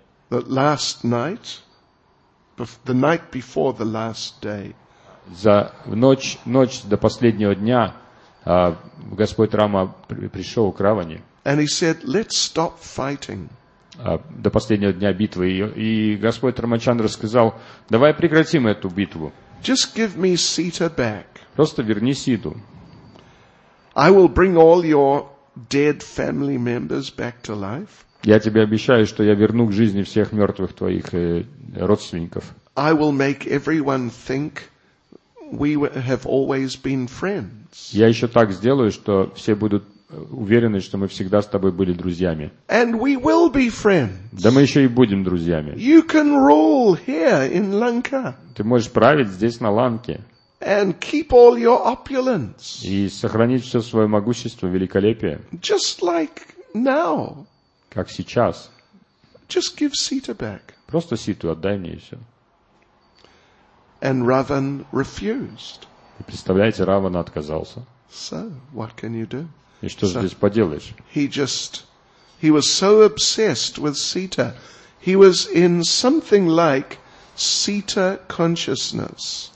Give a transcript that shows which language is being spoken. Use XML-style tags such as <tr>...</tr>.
<en>The last night, the night before the last day.</en> <ru>За ночь до последнего дня Господь Рама пришел к Раване.</ru> <en>And he said, "Let's stop fighting."</en> <ru>До последнего дня битвы и Господь Рамачандра сказал: "Давай прекратим эту битву."</ru> <en>Just give me Sita back.</en> <ru>Просто верни Ситу.</ru> <en>I will bring all your dead family members back to life.</en> <ru>Я тебе обещаю, что я верну к жизни всех мертвых твоих родственников.</ru> <en>I will make everyone think we have always been friends.</en> <ru>Я еще так сделаю, что все будут уверены, что мы всегда с тобой были друзьями.</ru> <en>And we will be friends.</en> <ru>Да мы еще и будем друзьями.</ru> <en>You can rule here in Lanka.</en> <ru>Ты можешь править здесь, на Ланке.</ru> <en>And keep all your opulence.</en> <ru>И сохранить все свое могущество, великолепие.</ru> <en>Just like now.</en> <ru>Как сейчас.</ru> <en>Just give Sita back.</en> <ru>Просто Ситу отдай мне и все.</ru> <en>And Ravan refused.</en> <ru>И представляете, Равана отказался.</ru> <en>So, what can you do?</en> <ru>И что же здесь поделаешь?</ru> <en>He was so obsessed with Sita. He was in something like Sita consciousness.</en>